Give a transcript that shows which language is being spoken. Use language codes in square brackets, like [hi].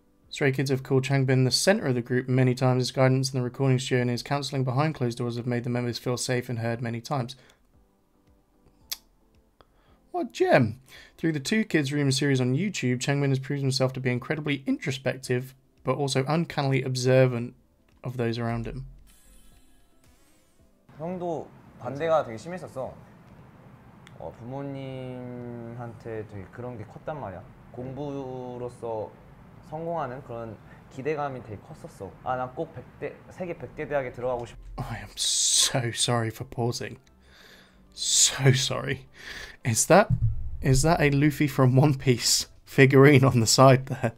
[en] Stray Kids have called Changbin the center of the group many times. His guidance in the recording studio and his counseling behind closed doors have made the members feel safe and heard many times. What a gem! Through the Two Kids Room series on YouTube, Changbin has proved himself to be incredibly introspective, but also uncannily observant of those around him. [ko] 형도 반대가 되게 심했었어. 어, 부모님한테 되게 그런 게 컸단 말이야. 공부로서 성공하는 그런 기대감이 되게 컸었어. 아, 난 꼭 100대, 세계 100대 대학에 들어가고 싶어. [en] I am so sorry for pausing. So sorry. Is that a Luffy from One Piece figurine on the side there?